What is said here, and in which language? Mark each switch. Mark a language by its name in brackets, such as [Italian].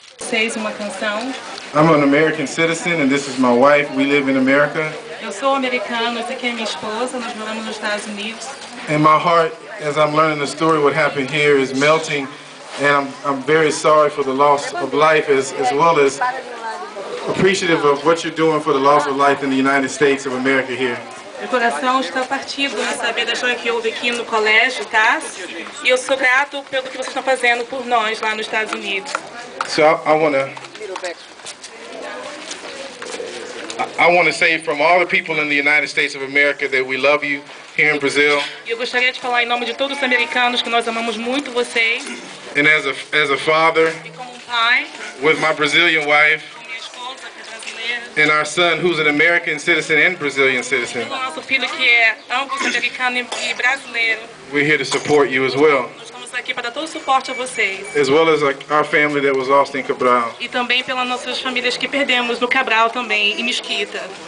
[English] I'm an American citizen and this is my wife. We live in America. [Portuguese] Eu sou americano, essa aqui é minha esposa, nós moramos nos Estados Unidos. [English] And my heart, as I'm learning the story, what happened here is melting, and I'm very sorry for the loss of life as well as appreciative of what you're doing for the loss of life in the United States of America here. [Portuguese] Meu coração está partido na saber da joia que houve aqui no colégio, tá? E eu sou grato pelo que vocês estão fazendo por nós lá nos Estados Unidos. [English] So I want to say from all the people in the United States of America that we love you here in Brazil. [Portuguese] Eu gostaria de falar em nome de todos os americanos que nós amamos muito vocês. [English] And as a father, [Portuguese] e como pai, [English] with my Brazilian wife, [Portuguese] com minha esposa, que é brasileira, [English] and our son, who's an American citizen and Brazilian citizen. [Portuguese] E nosso filho que é ambos americano e brasileiro. [English] We're here to support you as well. [Portuguese] Aqui para dar todo o suporte a vocês. [English] As well as our family that was lost in Cabral. [Portuguese] E também pelas nossas famílias que perdemos no Cabral também, em Mesquita.